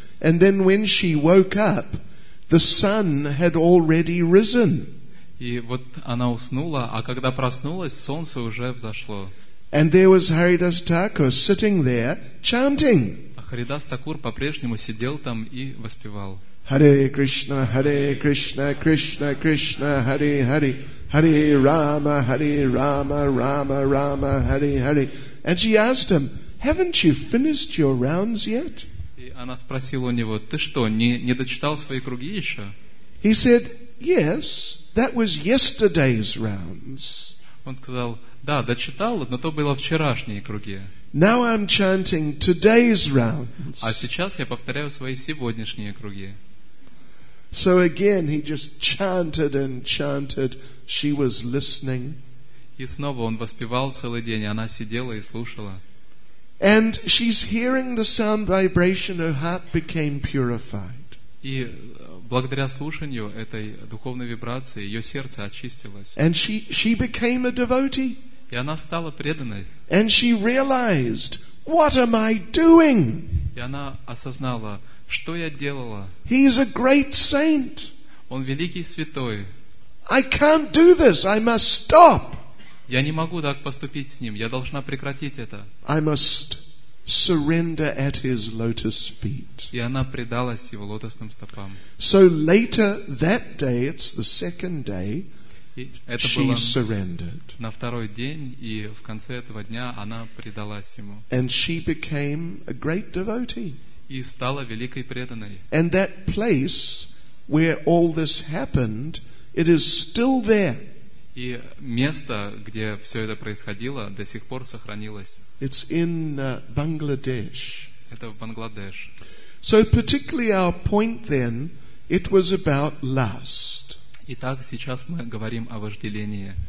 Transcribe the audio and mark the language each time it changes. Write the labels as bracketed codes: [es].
[en] And then when she woke up, the sun had already risen. [ru] И вот она уснула, а когда проснулась, солнце уже взошло. [en] And there was Haridas Thakur sitting there chanting. [ru] А Харидас Такур по-прежнему сидел там и воспевал. [sa] Hare Krishna, Krishna Krishna, Hare Hare, Hare Rama, Rama Rama, Hare Hare. [en] And she asked him, "Haven't you finished your rounds yet?" [ru] И она спросила у него, "Ты что, не дочитал свои круги еще?" [en] He said, "Yes." That was yesterday's rounds. [ru] Он сказал, да, дочитал, но то было вчерашние круги. [en] Now I'm chanting today's rounds. [ru] А сейчас я повторяю свои сегодняшние круги. [en] So again he just chanted and chanted. She was listening. [ru] И снова он воспевал целый день, она сидела и слушала. [en] And she's hearing the sound vibration, her heart became purified. [ru] И благодаря слушанию этой духовной вибрации ее сердце очистилось. [en] And she became a devotee. [ru] И она стала преданной. [en] And she realized, what am I doing? [ru] И она осознала, что я делала. [en] He is a great saint. [ru] Он великий святой. [en] I can't do this. I must stop. [ru] Я не могу так поступить с ним. Я должна прекратить это. [en] I must surrender at his lotus feet. [ru] И она предалась его лотосным стопам. [en] So later that day, it's the second day, she surrendered. [ru] На второй день и в конце этого дня она предалась ему. [en] And she became a great devotee. [ru] И стала великой преданной. [en] And that place where all this happened, it is still there. [ru] И место, где все это происходило, до сих пор сохранилось. [en] It's in Bangladesh. [ru] Это в Бангладеш. [en] So particularly our point then, it was about lust. [ru] Итак, сейчас мы говорим о вожделении.